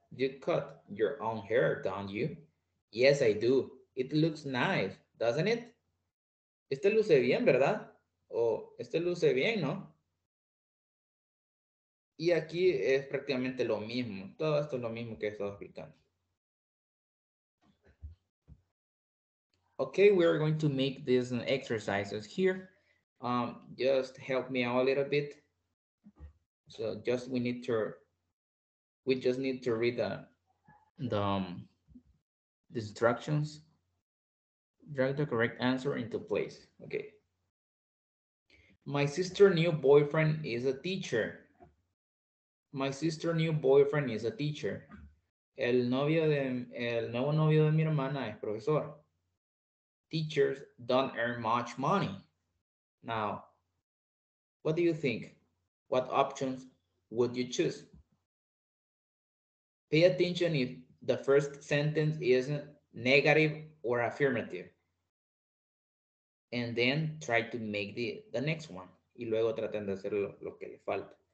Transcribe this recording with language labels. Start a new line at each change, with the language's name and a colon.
English: You cut your own hair, don't you? Yes, I do. It looks nice, doesn't it?
Spanish: Este luce bien, ¿verdad? O este luce bien, ¿no? Y aquí es prácticamente lo mismo. Todo esto es lo mismo que he estado explicando.
English: Okay, we are going to make these exercises here. Just help me out a little bit. So just we just need to read the instructions. Drag the correct answer into place. Okay. My sister's new boyfriend is a teacher. My sister's new boyfriend is a teacher.
Spanish: El nuevo novio de mi hermana es profesor.
English: Teachers don't earn much money. Now, what do you think? What options would you choose? Pay attention if the first sentence is negative or affirmative. And then try to make the next one.
Spanish: Y luego traten de hacer lo que le falta.